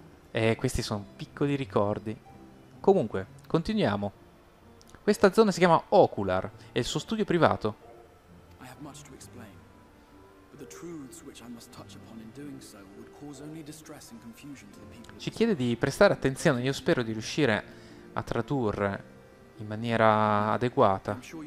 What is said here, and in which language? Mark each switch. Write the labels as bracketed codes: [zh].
[it] E questi sono piccoli ricordi. Comunque, continuiamo. Questa zona si chiama Ocular, è il suo studio privato. [en] I have much to explain, but the truths which I must touch upon in doing so would cause only distress and confusion to the people. [it] Ci chiede di prestare attenzione, io spero di riuscire a tradurre in maniera adeguata.